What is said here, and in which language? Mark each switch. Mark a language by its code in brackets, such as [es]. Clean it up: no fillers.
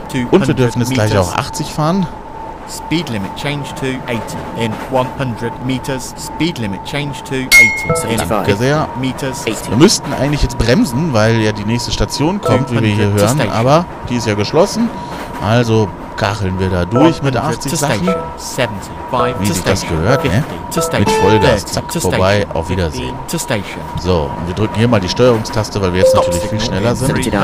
[de] Und wir dürfen jetzt gleich auch 80 fahren. [en] Speed limit change to 80 in 100 meters. Speed limit change to 80 in 100 meters. [de] Wir müssten eigentlich jetzt bremsen, weil ja die nächste Station kommt, wie wir hier hören, aber die ist ja geschlossen. Also kacheln wir da durch mit 80 Sachen. Wie sich das gehört, ne? Mit Vollgas, zack, vorbei, auf Wiedersehen. So, und wir drücken hier mal die Steuerungstaste, weil wir jetzt natürlich viel schneller sind.